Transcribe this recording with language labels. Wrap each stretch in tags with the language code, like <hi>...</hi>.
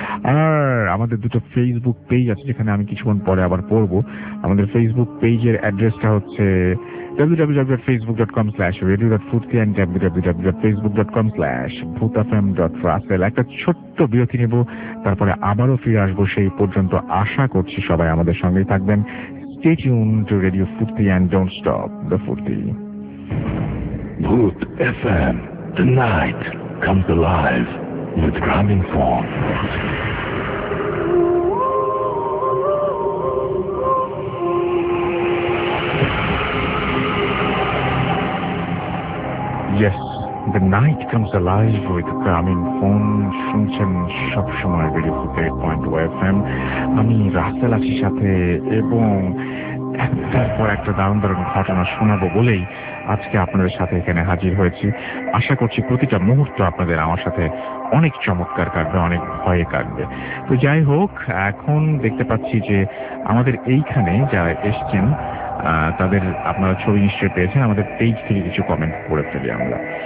<bn>আর আমাদের দুটো Facebook page আছে যেখানে আমি কিছুক্ষণ পরে আবার পড়ব, আমাদের ফেসবুক পেজের অ্যাড্রেসটা হচ্ছে www.facebook.com/radio.phuti and www.facebook.com/bhutafm.rasel, একটা ছোট্ট বিরতি নেব তারপরে আবারও ফিরে আসবো, সেই পর্যন্ত আশা করছি সবাই আমাদের সঙ্গেই থাকবেন।</bn> <en>Stay tuned to Radio Phuti and don't stop the Phuti. Bhut FM, the night comes alive with Gramophone. Yes, the night comes alive with Gramophone.</en> <bn>শুনছেন সবসময় Radio Phuti 8.2 FM. আমি রাসেল আছি সাথে এবং একটার পর একটা দারুণ দারুণ ঘটনা শোনাবো বলেই আজকে আপনাদের সাথে এখানে হাজির হয়েছি। আশা করছি প্রতিটা মুহূর্ত আপনাদের আমার সাথে অনেক চমৎকার কাটবে, অনেক ভয়ে কাটবে। তো যাই হোক, এখন দেখতে পাচ্ছি যে আমাদের এইখানে যারা এসছেন তাদের আপনারা ছবি নিশ্চয় পেয়েছেন, আমাদের পেজ থেকে কিছু কমেন্ট করে ফেলি আমরা।</bn>